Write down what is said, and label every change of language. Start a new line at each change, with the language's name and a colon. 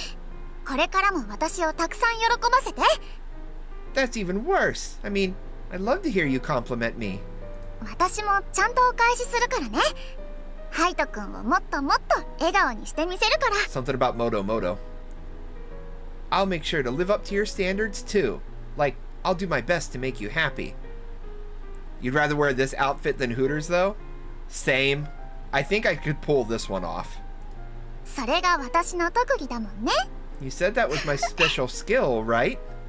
Japanese: それはもっとダメ。これからも私をたくさん喜ばせて。
English: That's even worse. I mean, I'd love to hear you compliment me.
Japanese: 私もちゃんとお返しするからね。ハイト君をもっともっと笑顔にしてみせるから。
English: Something about Moto Moto. I'll make sure to live up to your standards, too. Like, I'll do my best to make you happy. You'd rather wear this outfit than Hooters, though? Same. I think I could pull this one off. You said that was my special skill, right?